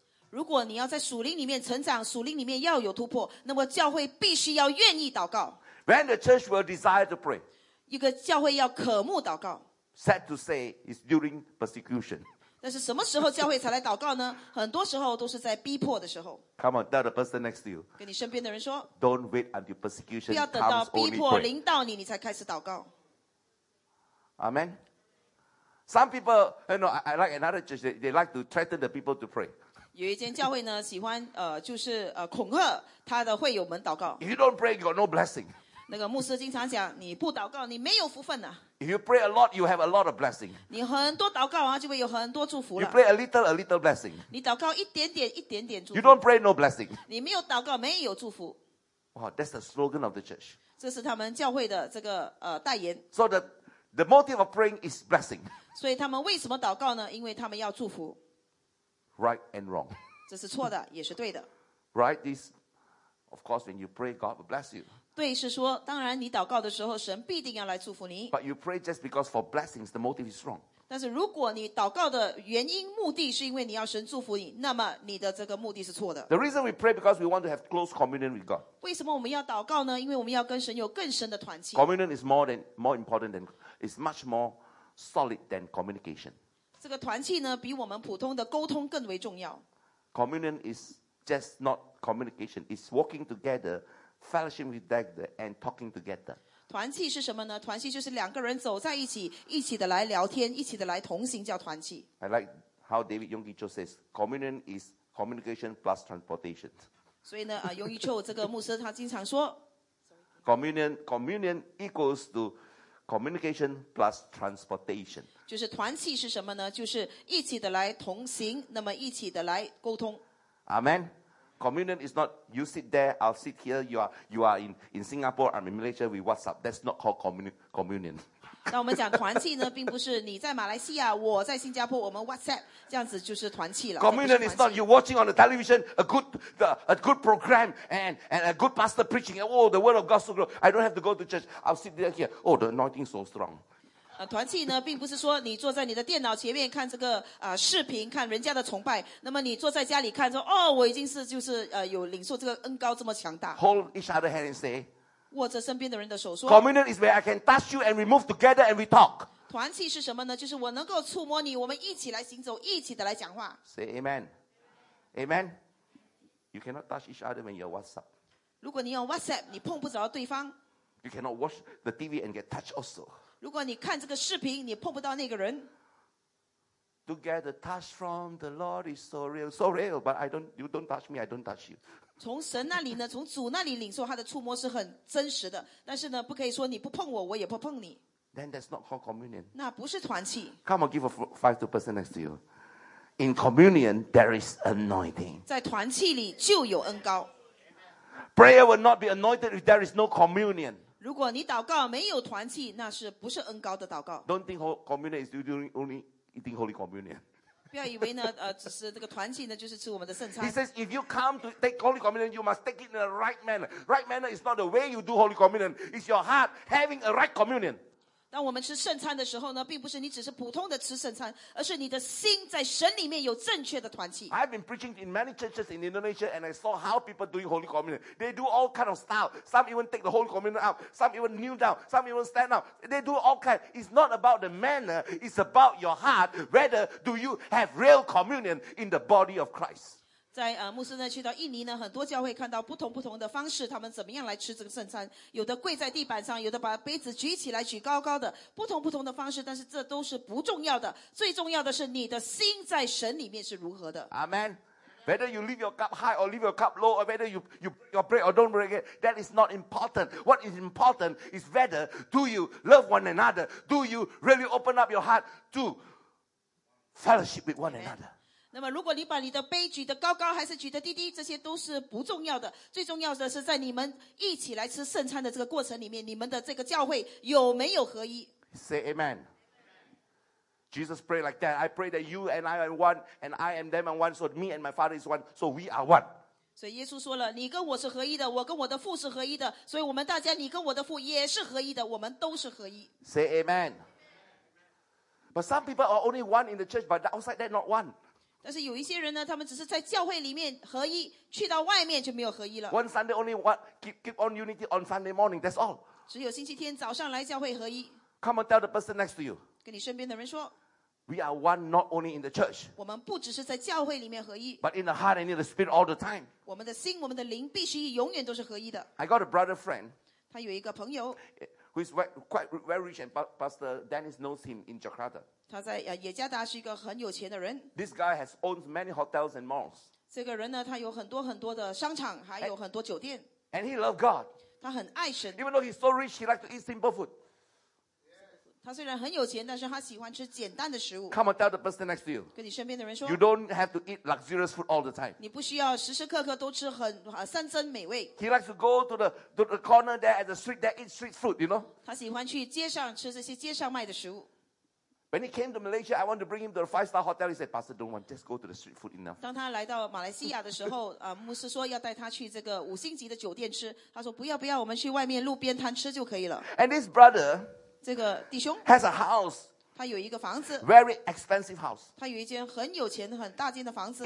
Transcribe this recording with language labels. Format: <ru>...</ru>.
<zh>如果你要在属灵里面成长，属灵里面要有突破，那么教会必须要愿意祷告。</zh> <en>When the church will desire to pray,</en> <zh>一个教会要渴慕祷告。</zh> <en>Sad to say, it's during persecution.</en> <zh>但是什么时候教会才来祷告呢？很多时候都是在逼迫的时候。</zh> <en>Come on, tell the person next to you.</en> <zh>跟你身边的人说。</zh> <en>Don't wait until persecution comes only pray.</en> <zh>不要等到逼迫临到你，你才开始祷告。</zh> <en>Amen. Some people, you know, I like another church. They like to threaten the people to pray.</en> <zh>有一间教会呢，喜欢就是恐吓他的会友们祷告。</zh> <en>If you don't pray, you got no blessing.</en> <zh>那个牧师经常讲，你不祷告，你没有福分呐。</zh> <en>If you pray a lot, you have a lot of blessing.</en> <zh>你很多祷告啊，就会有很多祝福了。</zh> <en>You pray a little blessing.</en> <zh>你祷告一点点，一点点祝福。</zh> <en>You don't pray, no blessing.</en> <zh>你没有祷告，没有祝福。</zh> <en>Wow, that's the slogan of the church.</en> <zh>这是他们教会的这个代言。</zh> <en>So the motive of praying is blessing.</en> <zh>所以他们为什么祷告呢？因为他们要祝福。</zh> <en>Right and wrong.</en> <zh>这是错的，也是对的。</zh> <en>Right is, of course, when you pray, God will bless you.</en> <zh>对是说当然你祷告的时候神必定要来祝福你</zh> <en>But you pray just because for blessings the motive is wrong</en> <zh>但是如果你祷告的原因目的是因为你要神祝福你那么你的这个目的是错的</zh> <en>The reason we pray because we want to have close communion with God</en> <zh>为什么我们要祷告呢因为我们要跟神有更深的团契</zh> <en>Communion is more important than is much more solid than communication</en> <zh>这个团契呢比我们普通的沟通更为重要</zh> <en>Communion is just not communication it's working togetherFellowship with God and talking together.</en> <zh>团契是什么呢？团契就是两个人走在一起，一起的来聊天，一起的来同行，叫团契。</zh> <en>I like how David Yonggi Cho says, "Communion is communication plus transportation."</en> <zh>所以呢，Yonggi Cho 这个牧师他经常说</zh> <en>，Communion equals to communication plus transportation.</en> <zh>就是团契是什么呢？就是一起的来同行，那么一起的来沟通。</zh> <en>Amen. Communion is not you sit there, I'll sit here, you are in Singapore, I'm in Malaysia, we WhatsApp. That's not called communion.</en> <zh>那我们讲团契呢，并不是你在马来西亚，我在新加坡，我们 WhatsApp 这样子就是团契了。</zh> <en>Communion is not you watching on the television a good program and a good pastor preaching. Oh, the word of God so good. I don't have to go to church. I'll sit there here. Oh, the anointing is so strong.</en> <zh>团契呢并不是说你坐在你的电脑前面看这个视频看人家的崇拜那么你坐在家里看说哦我已经是就是有领受这个恩膏这么强大</zh> <en>Hold each other hand and say</en> <zh>握着身边的人的手说</zh> <en>Communion is where I can touch you and we move together and we talk</en> <zh>团契是什么呢就是我能够触摸你我们一起来行走一起的来讲话</zh> <en>Say Amen Amen You cannot touch each other when you're WhatsApp</en> <zh>如果你用 WhatsApp 你碰不着对方</zh> <en>You cannot watch the TV and get touched also</en> <zh>如果你看这个视频你碰不到那个人</zh> <en>To get a touch from the Lord is so real but you don't touch me, I don't touch you</en> <zh>从神那里呢从主那里领受他的触摸是很真实的但是呢不可以说你不碰我我也不碰你</zh> <en>Then that's not called communion</en> <zh>那不是团契</zh> <en>Come on give a five to the person next to you In communion there is anointing</en> <zh>在团契里就有恩膏</zh> <en>Prayer will not be anointed if there is no communion</en> <zh>如果你祷告没有团契，那是不是恩膏的祷告</zh> <en>？Don't think communion is doing only eating holy communion.</en> <zh>不要以为呢，只是这个团契呢，就是吃我们的圣餐。</zh> <en>He says, if you come to take holy communion, you must take it in the right manner. Right manner is not the way you do holy communion; it's your heart having a right communion.</en> <zh>当我们吃圣餐的时候呢，并不是你只是普通的吃圣餐，而是你的心在神里面有正确的团契。</zh> <en>I've been preaching in many churches in Indonesia and I saw how people doing Holy Communion. They do all kind of style. Some even take the Holy Communion out. Some even kneel down. Some even stand up. They do all kind. It's not about the manner. It's about your heart. Whether do you have real communion in the body of Christ?</en> <zh>在牧师呢去到印尼呢很多教会看到不同的方式他们怎么样来吃这个圣餐有的跪在地板上有的把杯子举起来举高高的不同的方式但是这都是不重要的最重要的是你的心在神里面是如何的</zh> <en>Amen Whether you leave your cup high or leave your cup low or whether you break or don't break it that is not important What is important is whether do you love one another Do you really open up your heart to fellowship with one another</en> <zh>那么如果你把你的杯举得高高还是举得低低这些都是不重要的最重要的是在你们一起来吃圣餐的这个过程里面你们的这个教会有没有合一</zh> <en>Say Amen Jesus prayed like that. I pray that you and I are one, and I and them are one, so me and my Father is one, so we are one.</en> <zh>所以耶稣说了, 你跟我是合一的, 我跟我的父是合一的, 所以我们大家, 你跟我的父也是合一的, 我们都是合一。</zh> <en>Say amen. But some people are only one in the church, but outside that not one.</en> <zh>但是有一些人呢, 他们只是在教会里面合一, 去到外面就没有合一了。</zh> <en>One Sunday only one, keep on unity on Sunday morning, that's all.</en> <zh>只有星期天早上来教会合一。</zh> <en>Come and tell the person next to you.</en> <zh>跟你身边的人说,</zh> <en>we are one not only in the church,</en> <zh>我们不只是在教会里面合一,</zh> <en>but in the heart and in the spirit all the time.</en> <zh>我们的心, 我们的灵必须永远都是合一的。</zh> <en>I got a brother friend,</en> <zh>他有一个朋友,</zh> <en>who is quite very rich, and Pastor Dennis knows him in Jakarta.</en> <zh>他在, 耶加达是一个很有钱的人。</zh> <en>This guy has owned many hotels and malls.</en> <zh>这个人呢, 他有很多很多的商场, 还有很多酒店。</zh> <en>And he loves God.</en> <zh>他很爱神。</zh> <en>Even though he's so rich, he likes to eat simple food.</en> <zh>他虽然很有钱,但是他喜欢吃简单的食物。</zh> <en>Come and tell the person next to you.</en> <zh>跟你身边的人说,</zh> <en>you don't have to eat luxurious food all the time.</en> <zh>你不需要时时刻刻都吃很, 山珍美味。</zh> <en>He likes to go to the corner there at the street there, eat street food, you know?</en> <zh>他喜欢去街上吃这些街上卖的食物。</zh> <en>When he came to Malaysia, I want to bring him to a 5-star hotel. He said, Pastor, don't want, just go to the street food enough.</en> <zh>当他来到马来西亚的时候, 牧师说要带他去这个五星级的酒店吃, 他说不要不要, 我们去外面路边摊吃就可以了。</zh> <en>And this brother,</en> <zh>这个弟兄,</zh> <en>has a house,</en> <zh>他有一个房子,</zh> <en>very expensive house,</en> <zh>他有一间很有钱, 很大间的房子,</zh>